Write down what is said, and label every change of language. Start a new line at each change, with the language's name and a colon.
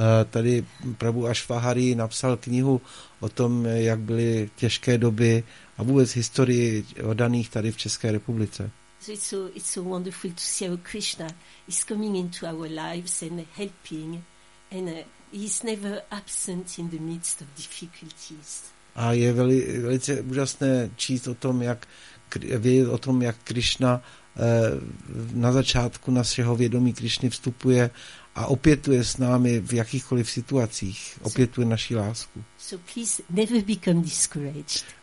Czech: Tady Prabhu Ashvahari napsal knihu o tom, jak byly těžké doby a vůbec historii oddaných tady v České republice.
English: So it's so wonderful to see how Krishna is coming into our lives and helping, and he's never absent in the midst of difficulties.
Czech: A je velice úžasné číst o tom, jak vědět o tom, jak Krishna na začátku našeho vědomí Krishny vstupuje a opětuje s námi v jakýchkoliv situacích, opětuje naši lásku.
English: So please never become discouraged.